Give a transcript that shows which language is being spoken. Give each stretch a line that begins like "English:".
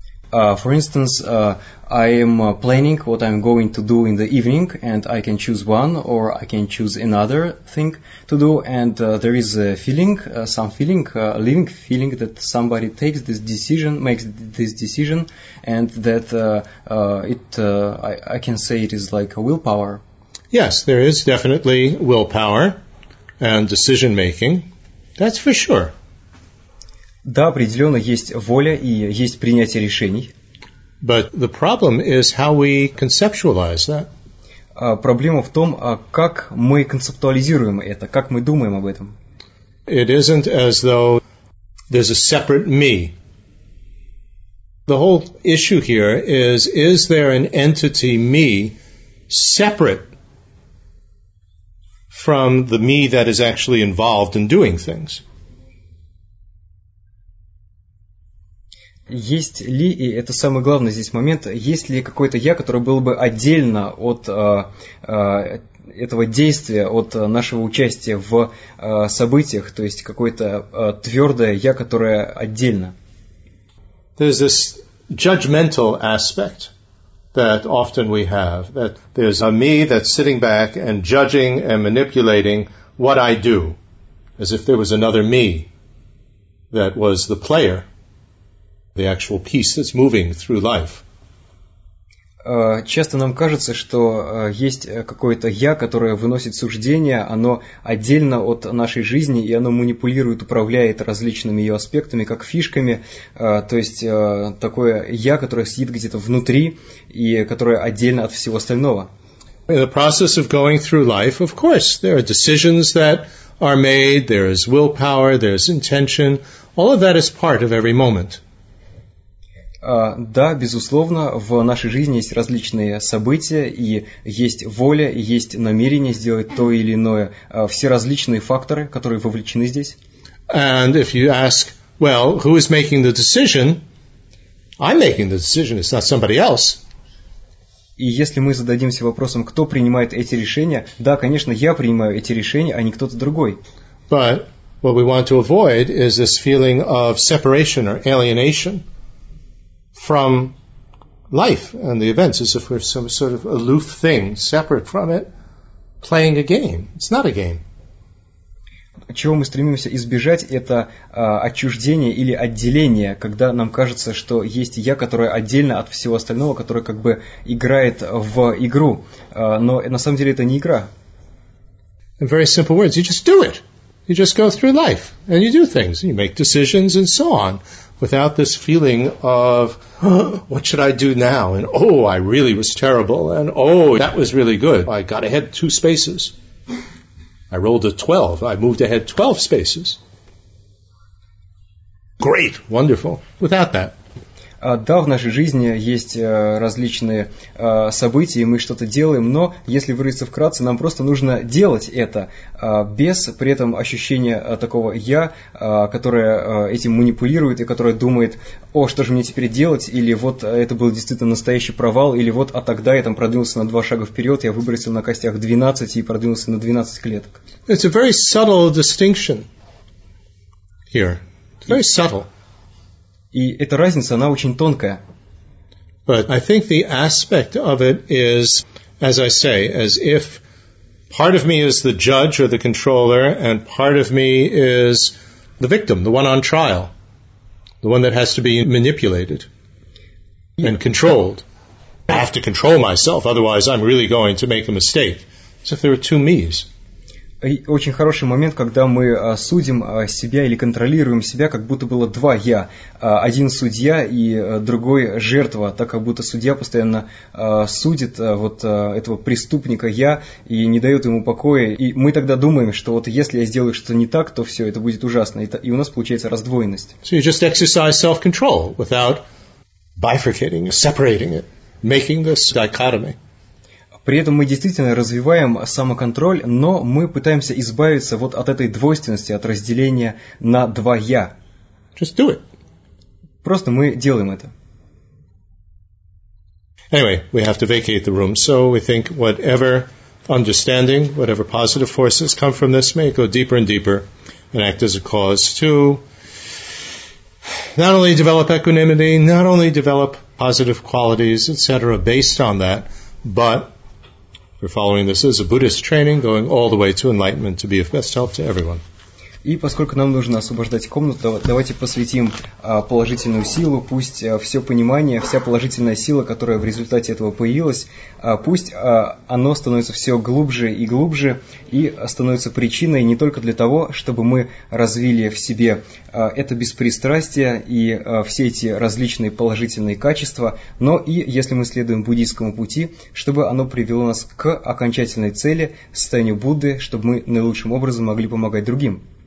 English: For instance, I am planning what I'm going to do in the evening, and I can choose one or I can choose another thing to do, and there is a feeling, some feeling, a living feeling that somebody takes this decision, makes this decision, and that I can say it is like a willpower. Yes, there is definitely willpower and decision making, that's for sure.
Russian: Да, определенно есть воля и есть принятие решений.
English: But the problem is how we conceptualize that.
Russian: Проблема в том, как мы концептуализируем это, как мы думаем об этом.
English: It isn't as though there's a separate me. The whole issue here is there an entity me separate from the me that is actually involved in doing things?
Russian: Есть ли, и это самый главный здесь момент, есть ли какое-то я, которое было бы отдельно от этого действия, от нашего участия в событиях, то есть какое-то твердое я, которое отдельно?
English: There's this judgmental aspect that often we have, that there's a me that's sitting back and judging and manipulating what I do, as if there was another me that was the player, the actual piece that's moving through life.
Russian: Часто нам кажется, что есть какое-то «я», которое выносит суждение, оно отдельно от нашей жизни, и оно манипулирует, управляет различными ее аспектами, как фишками, то есть такое «я», которое сидит где-то внутри и которое отдельно от всего остального.
English: In the process of going through life, of course, there are decisions that are made, there is willpower, there is intention, all of that is part of every moment.
Russian: Да, безусловно, в нашей жизни есть различные события, и есть воля, и есть намерение сделать то или иное. Все различные факторы, которые вовлечены здесь.
English: And if you ask, well, who is making the decision? I'm making the decision, it's not somebody else.
Russian: И если мы зададимся вопросом, кто принимает эти решения, да, конечно, я принимаю эти решения, а не кто-то другой.
English: But what we want to avoid is this feeling of separation or alienation from life and the events, as if we're some sort of aloof thing, separate from it, playing a game. It's not a game.
Russian: Чего мы стремимся избежать, это отчуждение или отделение, когда нам кажется, что есть я, которое отдельно от всего остального, которое как бы играет в игру. Но на самом деле это не игра.
English: In very simple words, you just do it. You just go through life, and you do things, and you make decisions, and so on. Without this feeling of, what should I do now? And, oh, I really was terrible. And, oh, that was really good. I got ahead 2 spaces. I rolled a 12. I moved ahead 12 spaces. Great. Wonderful. Without that.
Russian: Да, в нашей жизни есть различные события, и мы что-то делаем, но если выразиться вкратце, нам просто нужно делать это без при этом ощущения такого «я», которое этим манипулирует и которое думает «о, что же мне теперь делать?» или «вот это был действительно настоящий провал», или «вот, а тогда я там продвинулся на 2 шага вперед, я выбросил на костях 12 и продвинулся на 12 клеток».
English: It's a very subtle distinction here. It's very subtle.
Russian: И эта разница, она очень тонкая.
English: But I think the aspect of it is, as I say, as if part of me is the judge or the controller, and part of me is the victim, the one on trial, the one that has to be manipulated and controlled. I have to control myself, otherwise I'm really going to make a mistake. As if there are 2 me's.
Russian: И очень хороший момент, когда мы судим себя или контролируем себя, как будто было 2 я. Один судья и другой жертва, так как будто судья постоянно судит вот этого преступника я и не дает ему покоя. И мы тогда думаем, что вот если я сделаю что-то не так, то все, это будет ужасно. И у нас получается раздвоенность.
English: So you just exercise self-control without bifurcating, separating it, making this dichotomy.
Russian: При этом мы действительно развиваем самоконтроль, но мы пытаемся избавиться вот от этой двойственности, от разделения на 2 я.
English: Just do it.
Russian: Просто мы делаем это.
English: Anyway, we have to vacate the room, so we think whatever understanding, whatever positive forces come from this may go deeper and deeper and act as a cause to not only develop equanimity, not only develop positive qualities, etc., based on that, but we're following this as a Buddhist training, going all the way to enlightenment to be of best help to everyone.
Russian: И поскольку нам нужно освобождать комнату, давайте посвятим положительную силу, пусть все понимание, вся положительная сила, которая в результате этого появилась, пусть оно становится все глубже и глубже и становится причиной не только для того, чтобы мы развили в себе это беспристрастие и все эти различные положительные качества, но и, если мы следуем буддийскому пути, чтобы оно привело нас к окончательной цели, состоянию Будды, чтобы мы наилучшим образом могли помогать другим.